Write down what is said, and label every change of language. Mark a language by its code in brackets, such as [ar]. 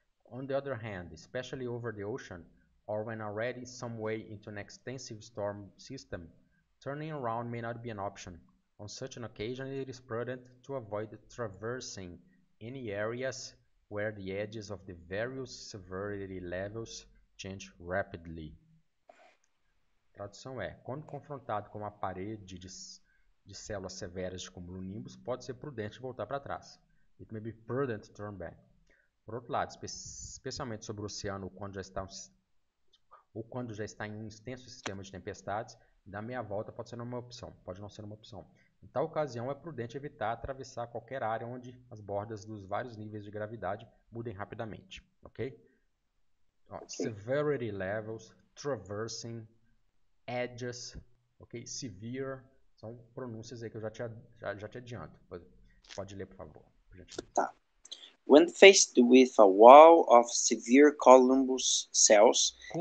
[en] On the other hand, especially over the ocean, or when already some way into an extensive storm system, turning around may not be an option. On such an occasion, it is prudent to avoid traversing any areas where the edges of the various severity levels change rapidly. [pt] Tradução é, quando confrontado com uma parede de células severas de cumulonimbus, pode ser prudente voltar para trás. [en] It may be prudent to turn back. [pt] Por outro lado, especialmente sobre o oceano, quando já está em um extenso sistema de tempestades, dar meia volta pode não ser uma opção. Em tal ocasião, é prudente evitar atravessar qualquer área onde as bordas dos vários níveis de gravidade mudem rapidamente. Okay? [en] Severity levels, traversing, edges, okay? Severe. [pt] São pronúncias aí que eu já te adianto. Pode ler, por favor. Tá. [en] When faced with a wall of severe cumulonimbus cells,